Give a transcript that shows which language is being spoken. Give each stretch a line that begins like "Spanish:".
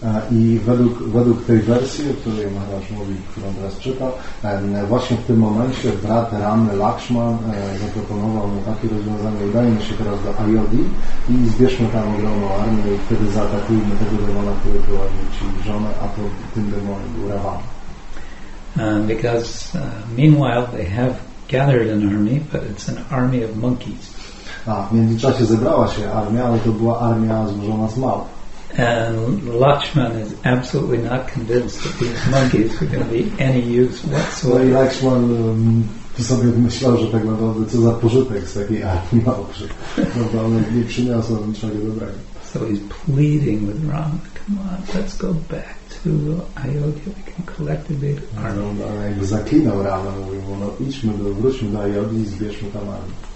Polish: I według tej wersji, o której Maharaj mówi, którą teraz czytał, właśnie w tym momencie brat Ramy Lakshman zaproponował mu takie rozwiązanie: udajmy się teraz do Ayodhi i zbierzmy tam ogromną armię i wtedy zaatakujmy tego demona, który była ci żonę, a to tym demonem był Ravana.
English: Because meanwhile they have gathered an army, but it's an army of monkeys.
Polish: A w międzyczasie zebrała się armia, ale to była armia złożona z małp.
English: And Lakshman is absolutely not convinced that these monkeys are going to be any use whatsoever.
Polish: No i Lakshman sobie myślał, że tak naprawdę co za pożytek z takiej armii małp, że one nie przyniosą niczego dobrego.
English: So he's pleading with Ram, come on, let's go back to Ayodhya, we can collect a big army.
Polish: No, ale jakby zaklinał Ramę, mówił mu, no idźmy, wróćmy do Ayodhya i zbierzmy tam armię.